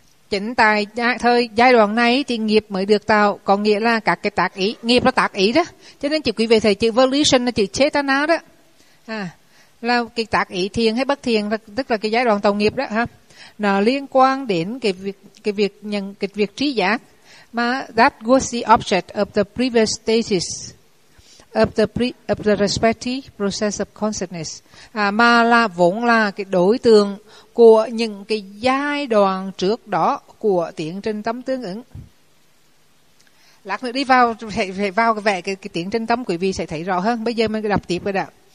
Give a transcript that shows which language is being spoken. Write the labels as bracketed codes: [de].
[vi] Chính tại giai đoạn này thì nghiệp mới được tạo, có nghĩa là các cái tác ý, nghiệp là tác ý đó. Cho nên chỉ quý vị thấy chữ volition là chữ chetana đó. À, là cái tác ý thiền hay bất thiền, tức là cái giai đoạn tạo nghiệp đó ha. Nó liên quan đến cái việc trí giác. [en] Mà that was the object of the previous stages. Of the respective process of consciousness. [vi] À, mà là vốn là cái đối tượng của những cái giai đoạn trước đó của tiến trình tâm tương ứng. Lát nữa đi vào vẽ cái tiến trình tâm quý vị sẽ thấy rõ hơn. Bây giờ mình đọc tiếp rồi đó.